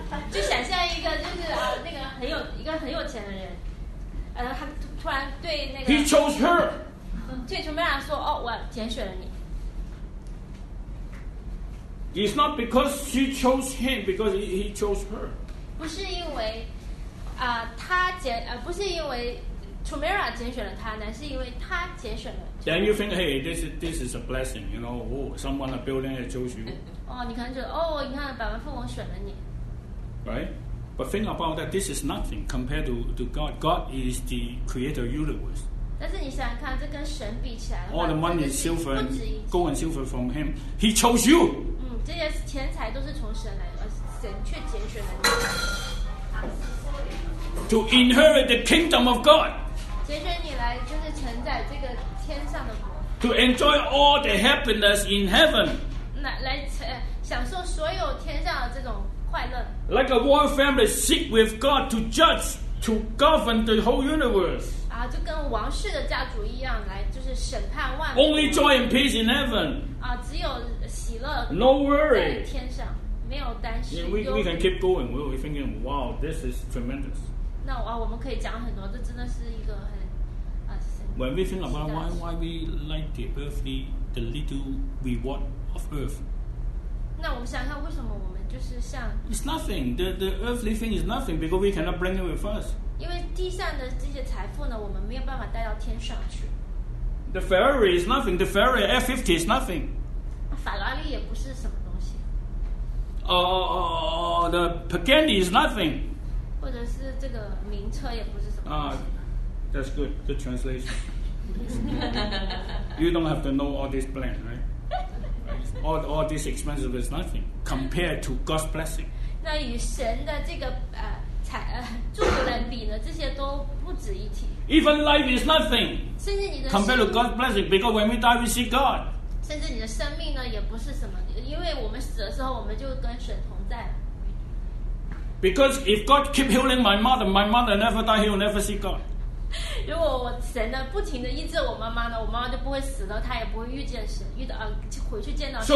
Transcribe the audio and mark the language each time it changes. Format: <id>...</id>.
<zh>就想象一个就是那个很有一个很有钱的人，他突然对那个</zh> <en>He chose her.</en> <zh>对琼贝拉说，哦，我拣选了你。</zh> <en>It's not because she chose him, because he chose her.</en> <zh>不是因为他拣不是因为。 Tamara 拣选了他，乃是因为他拣选了。</zh> <en>Then you think, hey, this is a blessing, you know? Oh, someone a billionaire chose you.</en> <zh>哦，你可能觉得，哦，你看百万富翁选了你。</zh> <en>Right, but think about that. This is nothing compared to God. God is the creator of the universe.</en> <zh>但是你想想看，这跟神比起来</zh> <en>，All the money is silver, gold and silver from him. He chose you.</en> <zh>这些钱财都是从神来的，神却拣选了你。</zh> <en>To inherit the kingdom of God.</en> <zh>拣选你来就是承载这个天上的国。</zh> <en>To enjoy all the happiness in heaven.</en> <zh>来享受所有天上的这种快乐。</zh> <en>Like a royal family, sit with God to judge, to govern the whole universe.</en> <zh>就跟王室的家族一样，来就是审判万物。</zh> <en>Only joy and peace in heaven.</en> <zh>只有喜乐。</zh> <en>No worry.</en> <zh>在天上。没有担心。</zh> <en>We can keep going. We'll be thinking, wow, this is tremendous.</en> <zh>那我们可以讲很多，这真的是一个很</zh> <en>When we think about why we like the earthly, the little reward of earth.</en> <zh>那我们想一下，为什么我们就是像</zh> <en>It's nothing. The earthly thing is nothing because we cannot bring it with us.</en> <zh>因为地上的这些财富呢，我们没有办法带到天上去。</zh> <en>The Ferrari is nothing. The Ferrari F50 is nothing.</en> <zh>法拉利也不是什么。</zh> <en>The Pagani is nothing.</en> <zh>或者是这个名车也不是什么。</zh> <en>That's good. Good translation. You don't have to know all this plan, right? All this expensive is nothing compared to God's blessing.</en> <zh>那与神的这个祝福来比呢，这些都不值一提。</zh> <en>Even life is nothing.</en> <zh>甚至你的</zh> <en>compared to God's blessing, because when we die, we see God.</en> <zh>甚至你的生命呢，也不是什么，因为我们死的时候，我们就跟神同在。</zh> <en>Because if God keep healing my mother never die, he'll never see God.</en> <zh>如果我神呢不停的医治我妈妈呢，我妈妈就不会死了，她也不会遇见神，回去见到神。</zh>